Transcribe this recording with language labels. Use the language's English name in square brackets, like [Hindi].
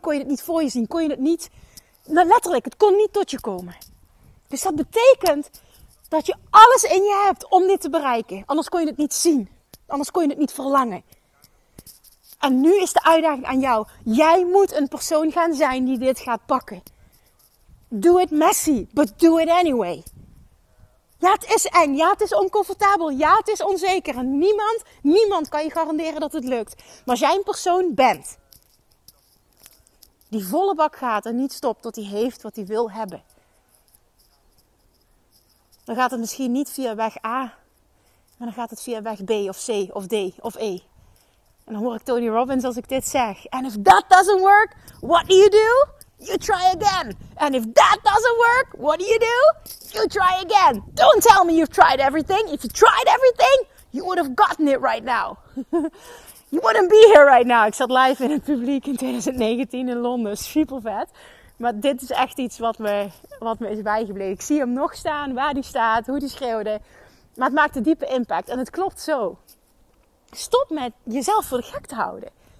[Dutch] Kon je dit niet voor je zien? Kon je het niet... Nou, letterlijk, het kon niet tot je komen. Dus dat betekent dat je alles in je hebt om dit te bereiken. Anders kon je het niet zien. Anders kon je het niet verlangen. En nu is de uitdaging aan jou. Jij moet een persoon gaan zijn die dit gaat pakken. [English] Do it messy, but do it anyway. [Dutch] Ja, het is eng. Ja, het is oncomfortabel. Ja, het is onzeker. En niemand kan je garanderen dat het lukt. Maar als jij een persoon bent die volle bak gaat en niet stopt tot hij heeft wat hij wil hebben, dan gaat het misschien niet via weg A, maar dan gaat het via weg B of C of D of E. En dan hoor ik Tony Robbins als ik dit zeg. [English] And if that doesn't work, what do you do? You try again. And if that doesn't work, what do you do? You try again. Don't tell me you've tried everything. If you tried everything, you would have gotten it right now. You wouldn't be here right now. [Dutch] Ik zat live in het publiek in 2019 in Londen. Super vet. Maar dit is echt iets wat me is bijgebleven. Ik zie hem nog staan, waar hij staat, hoe hij schreeuwde. Maar het maakt een diepe impact. En het klopt zo. Stop met jezelf voor de gek te houden.